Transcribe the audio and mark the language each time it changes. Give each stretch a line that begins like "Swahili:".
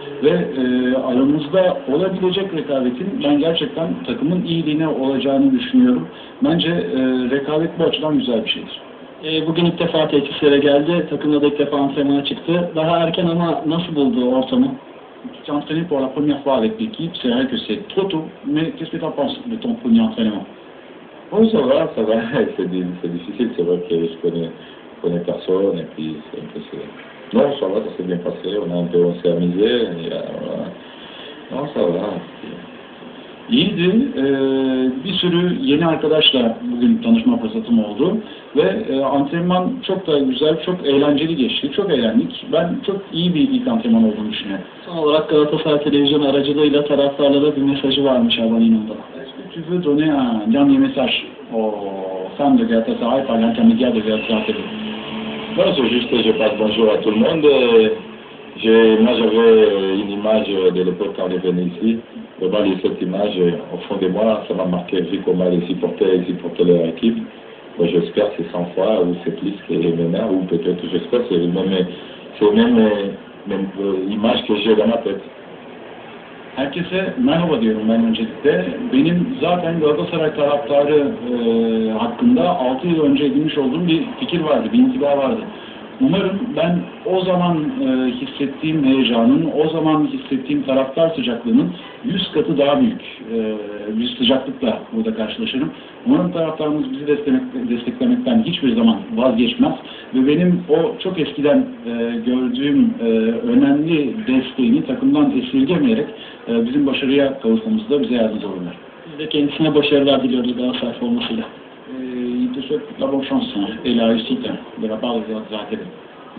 Turkish: Ve aramızda olabilecek rekabetin ben gerçekten takımın iyiliğine olacağını düşünüyorum. Bence rekabet bu açıdan güzel bir şeydir. Bugün ilk defa tesislere geldi. Takımda da ilk defa antrenmana çıktı. Daha erken ama nasıl buldu ortamı?
French: Tu as entraîné pour la première fois avec l'équipe, c'est vrai que c'est trop tôt, mais qu'est-ce que tu en penses de ton premier entraînement? Oui, ça va, c'est difficile, c'est vrai que je ne connais personne, et puis c'est un peu... Non, ça va, ça s'est bien passé, on s'est amusé, voilà. Non, ça va.
Turkish: İyiydi. Bir sürü yeni arkadaşla bugün tanışma fırsatım oldu. Ve antrenman çok da güzel, çok eğlenceli geçti. Çok eğlendik. Ben çok iyi bir ilk antrenman olduğunu düşünüyorum. Son olarak Galatasaray Televizyonu aracılığıyla taraftarlara bir mesajı varmış Aban İnan'da. Evet.
French: tu veux donner un dernier message aux femmes de Galatasaray par l'intermédiaire de Galatasaray? Non, c'est juste que je passe bonjour à tout le monde. Moi, j'avais une image de l'époque quand j'ai venu ici. Vraiment, j'ai cette image au fond de moi. Ça m'a marqué, vu comment les supporters leur équipe. Bon, j'espère que c'est 100 fois ou c'est plus que les meneurs, ou peut-être, j'espère que c'est même image que j'ai dans ma tête.
Turkish: Herkese merhaba diyorum ben öncelikle. Benim zaten Galatasaray taraftarı hakkında 6 yıl önce edinmiş olduğum bir fikir vardı, bir intiba vardı. Umarım ben o zaman hissettiğim heyecanın, o zaman hissettiğim taraftar sıcaklığının 100 katı daha büyük bir sıcaklıkla burada karşılaşırım. Umarım taraftarımız bizi desteklemekten hiçbir zaman vazgeçmez. Ve benim o çok eskiden gördüğüm önemli desteğini takımdan esirgemeyerek bizim başarıya kavuşmamızda bize yardımcı olurlar. Biz de kendisine başarılar diliyoruz Galatasaray formasıyla.
French: Je te souhaite la bonne chance et la réussite de la part de Zahatel.